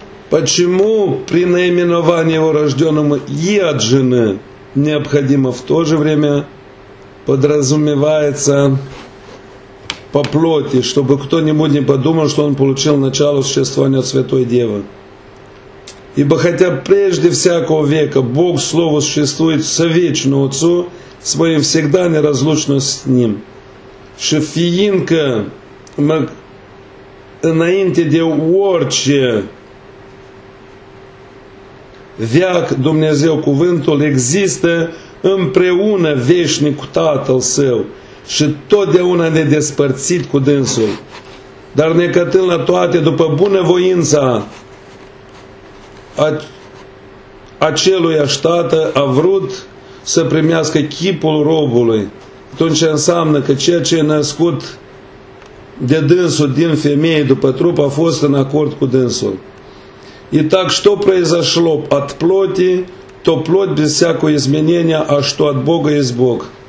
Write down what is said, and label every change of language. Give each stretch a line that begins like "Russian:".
Russian: Почему при наименовании его рожденному и от жены необходимо в то же время подразумевается по плоти, чтобы кто-нибудь не подумал, что он получил начало существования от Святой Девы? Ибо хотя прежде всякого века Бог Слово существует со вечного Отцу, своим всегда неразлучно с Ним.
Romanian: Шефиинка наинте де уорче Veac Dumnezeu cuvântul există împreună veșnic cu Tatăl Său și totdeauna nedespărțit cu Dânsul. Dar necătând la toate, după bunăvoința aceluiași Tată, a vrut să primească chipul robului. Atunci înseamnă că ceea ce e născut de Dânsul din femeie după trup a fost în acord cu Dânsul.
Russian: И так, что произошло от плоти, то плоть без всякого изменения, а что от Бога есть Бог.